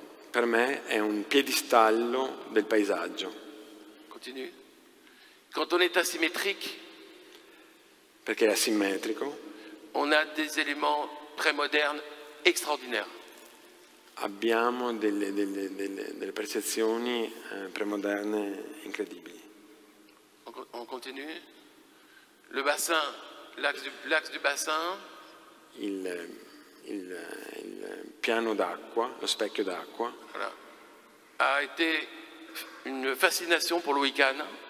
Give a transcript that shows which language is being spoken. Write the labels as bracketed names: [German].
[Italian] Per me è un piedistallo del paesaggio. [French] Continue. Quand on est asymétrique. [Italian] Perché è asimmetrico. [French] On a des éléments prémodernes extraordinaires. [Italian] abbiamo delle percezioni premoderne incredibili. [French] On continue. Le bassin, l'axe du bassin. [Italian] Il piano d'acqua, lo specchio d'acqua. [French] Voilà. A été une fascination pour Louis Kahn.